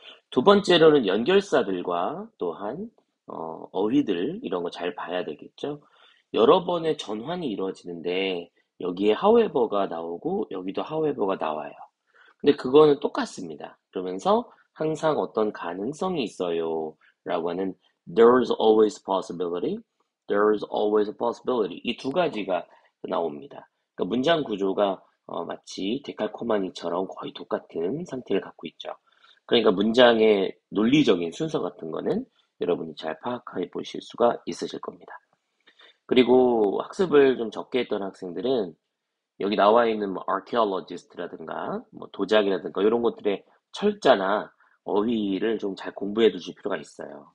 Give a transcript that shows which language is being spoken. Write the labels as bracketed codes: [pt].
[ko] 두 번째로는 연결사들과 또한 어휘들 이런 거잘 봐야 되겠죠. 여러 번의 전환이 이루어지는데, 여기에 however가 나오고, 여기도 however가 나와요. 근데 그거는 똑같습니다. 그러면서, 항상 어떤 가능성이 있어요. 라고 하는, [en] there's always a possibility, there's always a possibility. [ko] 이두 가지가 나옵니다. 그러니까 문장 구조가, 마치 데칼코마니처럼 거의 똑같은 상태를 갖고 있죠. 그러니까 문장의 논리적인 순서 같은 거는 여러분이 잘 파악해 보실 수가 있으실 겁니다. 그리고 학습을 좀 적게 했던 학생들은 여기 나와 있는 뭐 archaeologist라든가 뭐 도자기라든가 이런 것들의 철자나 어휘를 좀잘 공부해 두실 필요가 있어요.